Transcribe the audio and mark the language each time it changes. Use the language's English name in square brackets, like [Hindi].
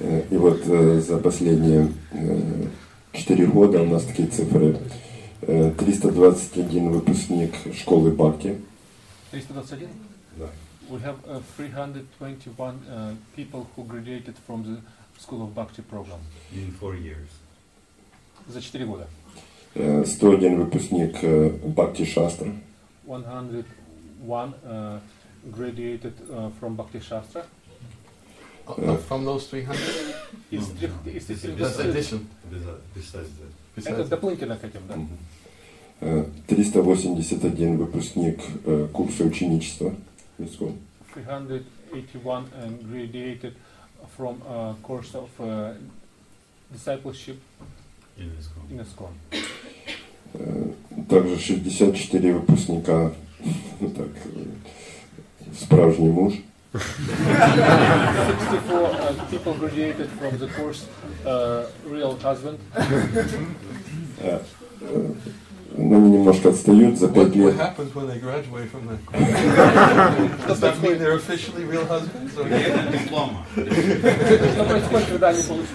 [Russian] И вот за последние 4 года у нас такие цифры. 321 выпускник школы Бхакти. 321? Да. [English] We have 321 people who graduated from the School of Bhakti program. In 4 years. [Russian] За 4 года. 101 выпускник Бхакти Шастра. [English] 101 graduated from Bhakti Shastra. From those 300? Is this addition? [Russian] Это дополнительно к этим, да? 381 выпускник курса ученичества. [English] 381 graduated from a course of discipleship. In ESKCON. [Russian] Также 64 выпускника, так, справжний муж. [English] 64 people graduated from the course real husband. [Russian] Но они немножко отстают за 5 лет. [English] What happens when they graduate from the course? Does that mean they're officially real husbands? Or they get a diploma? [Russian] Что происходит, когда они получат?